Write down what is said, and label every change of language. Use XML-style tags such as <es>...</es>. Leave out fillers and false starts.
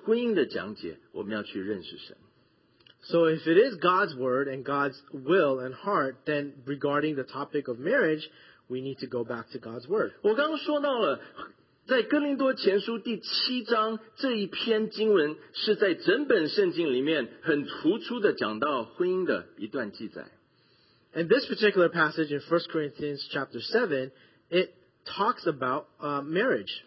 <zh>而且它既然是神的话，既然讲到婚姻，我们就要借着神的话，对婚姻的讲解，我们要去认识神。</zh> <en>So if it is God's word and God's will and heart, then regarding the topic of marriage, we need to go back to God's word.</en> <zh>我刚刚说到了，在哥林多前书第七章这一篇经文，是在整本圣经里面很突出的讲到婚姻的一段记载。</zh> <en>And this particular passage in 1 Corinthians chapter 7, it talks about marriage.</en>